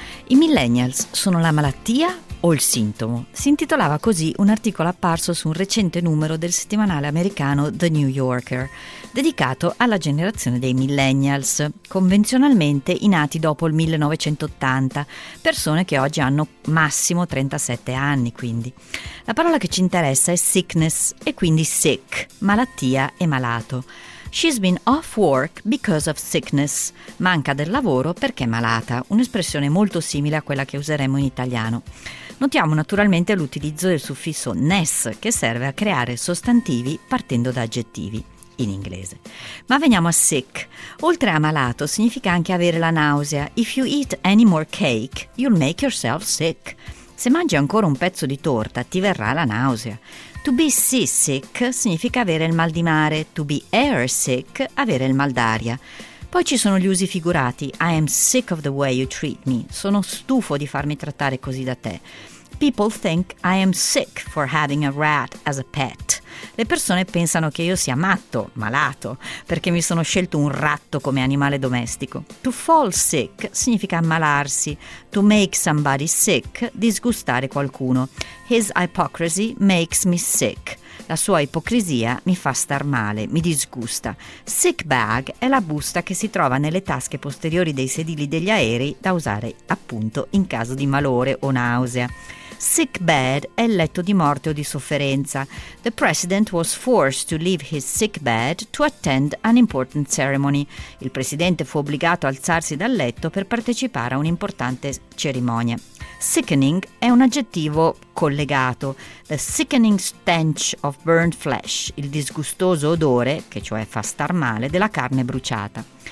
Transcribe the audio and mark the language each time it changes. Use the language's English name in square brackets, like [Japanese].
[Italian] I millennials sono la malattia o il sintomo? Si intitolava così un articolo apparso su un recente numero del settimanale americano The New Yorker, dedicato alla generazione dei millennials, convenzionalmente i nati dopo il 1980, persone che oggi hanno massimo 37 anni, quindi. La parola che ci interessa è sickness, e quindi sick, malattia e malato. [English] She's been off work because of sickness. [Italian] Manca del lavoro perché è malata, un'espressione molto simile a quella che useremo in italiano. Notiamo naturalmente l'utilizzo del suffisso ness, che serve a creare sostantivi partendo da aggettivi in inglese. Ma veniamo a sick. Oltre a malato, significa anche avere la nausea. [English] If you eat any more cake, you'll make yourself sick. [Italian] Se mangi ancora un pezzo di torta, ti verrà la nausea. To be seasick significa avere il mal di mare, to be airsick avere il mal d'aria. Poi ci sono gli usi figurati, [English] I am sick of the way you treat me, [Italian] sono stufo di farmi trattare così da te. [English] People think I am sick for having a rat as a pet. [Italian] Le persone pensano che io sia matto, malato, perché mi sono scelto un ratto come animale domestico. To fall sick significa ammalarsi. To make somebody sick, disgustare qualcuno. [English] His hypocrisy makes me sick. [Italian] La sua ipocrisia mi fa star male, mi disgusta. Sick bag è la busta che si trova nelle tasche posteriori dei sedili degli aerei da usare appunto in caso di malore o nausea. Sick bed è il letto di morte o di sofferenza. [English] The president was forced to leave his sick bed to attend an important ceremony. [Italian] Il presidente fu obbligato a alzarsi dal letto per partecipare a un'importante cerimonia. Sickening è un aggettivo collegato. [English] The sickening stench of burned flesh, [Italian] il disgustoso odore, che cioè fa star male, della carne bruciata.